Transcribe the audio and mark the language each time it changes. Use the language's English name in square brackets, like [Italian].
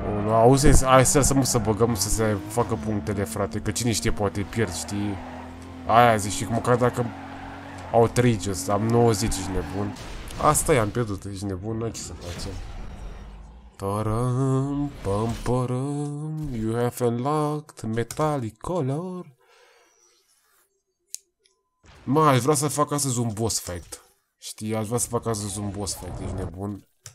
[Romanian] Auzi, hai să lăsăm să băgăm să se facă punctele, frate. Că cine știe, poate pierd, știi? Aia zici, știi, măcar dacă... Outrageous, am 90, ești nebun. Asta e, am pierdut, ești nebun, n-ai ce să facem. [English] Pam pam pam, you have unlocked metallic color. [Romanian] Mă, aș vrea să fac astăzi un boss fight. Știi, aș vrea să fac astăzi un boss fight, ești nebun.